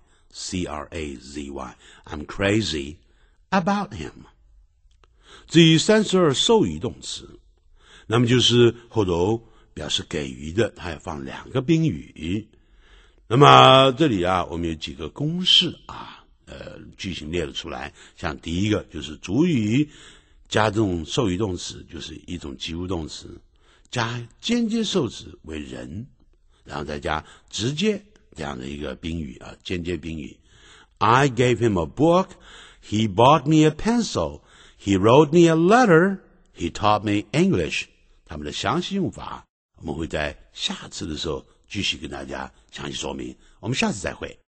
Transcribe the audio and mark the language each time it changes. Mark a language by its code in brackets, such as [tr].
[zh] C-R-A-Z-Y [en] I'm crazy about him [zh] 至于32授予动词那么就是后头表示给予的它要放两个宾语那么这里啊我们有几个公式啊句型列了出来像第一个就是主语加这种授予动词就是一种及物动词加间接受词为人，然后再加直接这样的一个宾语啊，间接宾语。 [en] I gave him a book, he bought me a pencil, he wrote me a letter, he taught me English. [zh] 他们的详细用法，我们会在下次的时候继续跟大家详细说明。我们下次再会。